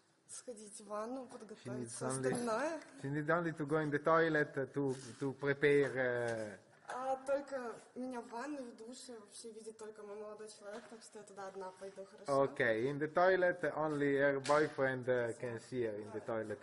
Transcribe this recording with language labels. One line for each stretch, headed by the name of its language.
Russian: Сходить в ванну, подготовить все остальное.
English: She needs only to go in the toilet to prepare.
Russian: А только меня в ванну, в душе, вообще видит только мой молодой человек, так что я туда одна пойду, хорошо?
English: Okay, in the toilet only her boyfriend can see her in the toilet.